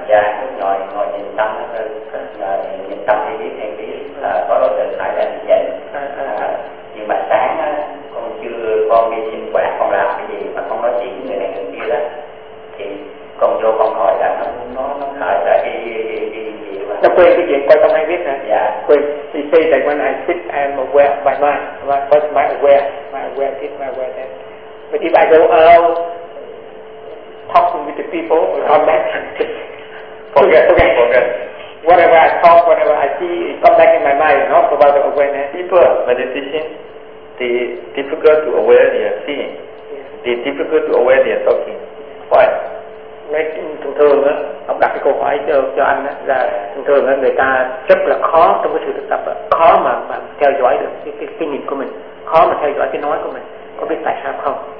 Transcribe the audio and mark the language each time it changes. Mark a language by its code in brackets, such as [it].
[vi] Dạ, lúc ngồi ngồi nhìn tâm đó thôi. Nhìn tâm thì biết hay biết là có đối tượng phải là như vậy. Nhưng mà sáng á, con chưa, con đi sinh hoạt, con làm cái gì mà con nói chuyện với người này người kia đó. Thì con vô con hỏi là nó khởi ra đi gì mà. Nó quên cái chuyện quan tâm hay biết hả? Dạ. Quên. [en] He said that when I sit, I am aware of my mind. What's my aware? My aware this, my aware that. But if I go out talking with the people, or come back, forget. Whatever I talk, whatever I see, it comes back in my mind, you know, about the awareness. People, meditation, the difficult to aware they are seeing. The difficult to aware they are talking. Why? [vi] Thường thường á, ông đặt cái câu hỏi cho anh á, là thường thường á, người ta rất là khó trong cái sự thực tập á, khó mà theo dõi được cái nhìn của mình, khó mà theo dõi cái nói của mình, có biết tại sao không?